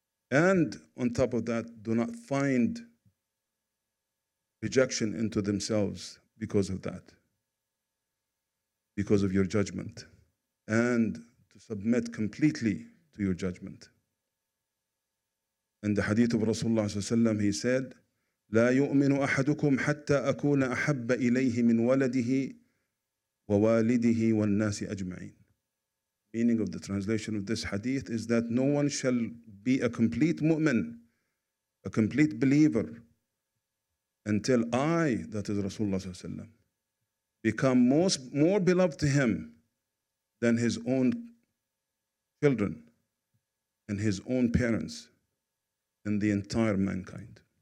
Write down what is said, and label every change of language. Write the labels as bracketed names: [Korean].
[English] And on top of that, do not find rejection into themselves because of that, because of your judgment, and to submit completely to your judgment. And the hadith of Rasulullah sallallahu alayhi wa sallam, he said, [Arabic] لَا يُؤْمِنُ أَحَدُكُمْ حَتَّى أَكُونَ أَحَبَّ إِلَيْهِ مِنْ وَلَدِهِ وَوَالِدِهِ وَالنَّاسِ أَجْمَعِينَ. [English] Meaning of the translation of this hadith is that no one shall be a complete mu'min, a complete believer, until I, that is Rasulullah sallallahu alayhi wa sallam, become more beloved to him than his own children and his own parents and the entire mankind.